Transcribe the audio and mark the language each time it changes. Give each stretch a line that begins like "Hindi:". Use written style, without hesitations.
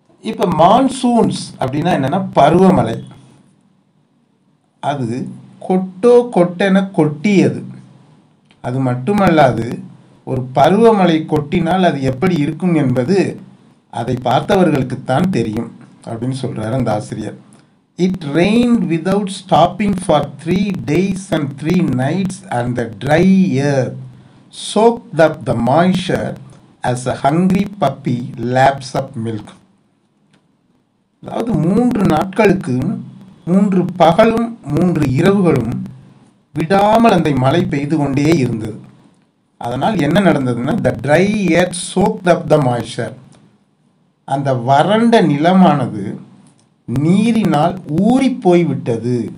Tamil: இப்போ மான்சூன்ஸ் அப்படின்னா என்னென்னா பருவமழை, அது கொட்டோ கொட்டென கொட்டியது. அது மட்டுமல்லாது ஒரு பருவமழை கொட்டினால் அது எப்படி இருக்கும் என்பது அதை பார்த்தவர்களுக்குத்தான் தெரியும் அப்படின்னு சொல்கிறார் அந்த ஆசிரியர்.
English: It rained without stopping for 3 days and 3 nights, and the dry earth soaked up the moisture as a hungry puppy laps up milk.
Tamil: அதாவது 3 நாட்களுக்கும் 3 பகலும் 3 இரவுகளும் விடாமல் அந்த மழை பெய்து கொண்டே இருந்தது. அதனால் என்ன நடந்ததுன்னா,
English: the dry air soaked up the moisture,
Tamil: அந்த வறண்ட நிலமானது நீரினால் ஊறி போய்விட்டது.